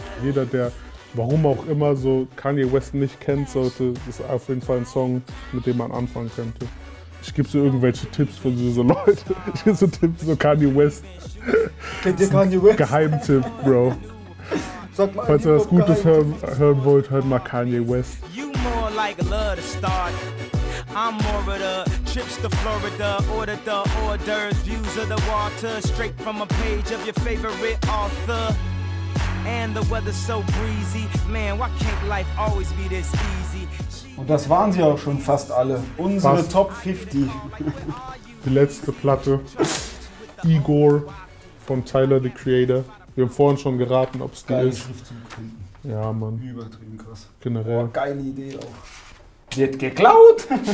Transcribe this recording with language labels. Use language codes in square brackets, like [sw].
[de] Jeder, der warum auch immer so Kanye West nicht kennt, sollte, ist auf jeden Fall ein Song, mit dem man anfangen könnte. Ich gebe so irgendwelche Tipps für diese Leute. Ich gebe so Tipps, so Kanye West. Kennt ihr Kanye West? Geheimtipp, Bro. Sag mal, falls ihr was Gutes hören wollt, hört mal Kanye West. [en] You more like love to start. I'm more of the trips to Florida, order the orders, views of the water, straight from a page of your favorite author. And the weather's so breezy. Man, why can't life always be this easy? [de] Und das waren sie auch schon fast alle. Unsere fast. Top 50. Die letzte Platte. Igor von Tyler, the Creator. Wir haben vorhin schon geraten, ob es die ist. Schriftzug. Ja, Mann. Übertrieben krass. Generell. Boah, geile Idee auch. Wird geklaut.